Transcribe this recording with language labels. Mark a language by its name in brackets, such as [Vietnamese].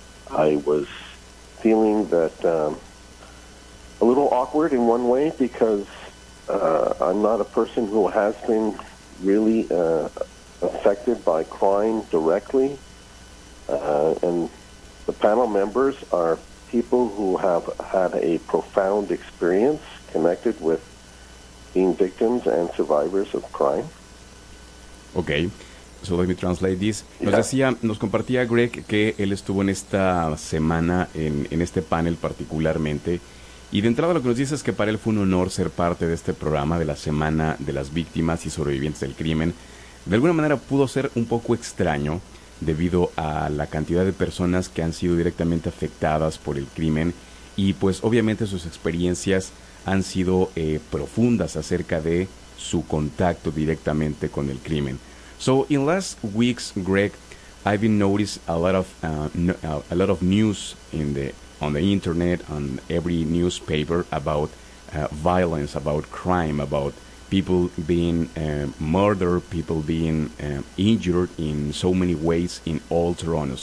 [English] I was feeling that a little awkward in one way, because I'm not a person who has been really affected by crime directly, and the panel members are people who have had a profound experience connected with being victims and survivors of crime. Okay, so let me translate this. [Spanish] Nos decía, nos compartía Greg que él estuvo en esta semana en este panel particularmente, y de entrada lo que nos dice es que para él fue un honor ser parte de este programa de la Semana de las Víctimas y Sobrevivientes del Crimen. De alguna manera pudo ser un poco extraño debido a la cantidad de personas que han sido directamente afectadas por el crimen, y pues obviamente sus experiencias han sido profundas acerca de su contacto directamente con el crimen. [English] So in last weeks, Greg, I've been noticed a lot of news on the internet, on every newspaper, about violence, about crime, about people being murdered, people being injured in so many ways in all Toronto.